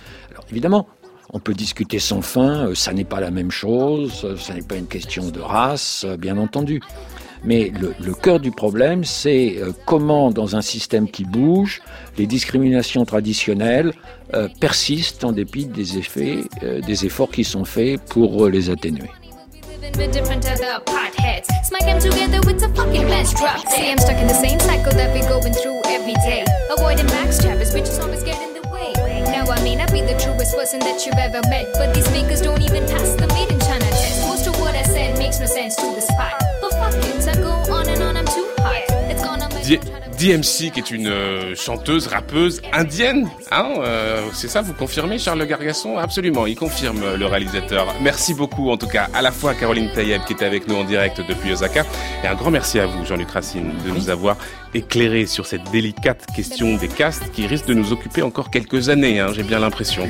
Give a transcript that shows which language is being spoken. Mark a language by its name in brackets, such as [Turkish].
[French] Alors évidemment, on peut discuter sans fin, ça n'est pas la même chose, ça n'est pas une question de race, bien entendu. Mais le cœur du problème, c'est comment, dans un système qui bouge, les discriminations traditionnelles persistent en dépit des effets, des efforts qui sont faits pour les atténuer. [English] We're different to the potheads. Smack them together with a fucking bench drop. See, I'm stuck in the same cycle that we're going through every day. Avoiding max trappers, bitches always get in the way. Now I may not be the truest person that you've ever met, but these speakers don't even pass the made in China test. Most of what I said makes no sense to the spot. But fuck it, I go on and on, I'm too hot. It's gone on my... [French] DMC, qui est une chanteuse, rappeuse indienne, hein, c'est ça, vous confirmez, Charles Gargasson? Absolument, il confirme, le réalisateur. Merci beaucoup, en tout cas, à la fois à Caroline Taïeb, qui était avec nous en direct depuis Osaka, et un grand merci à vous, Jean-Luc Racine, de nous avoir éclairé sur cette délicate question des castes qui risque de nous occuper encore quelques années, hein, j'ai bien l'impression.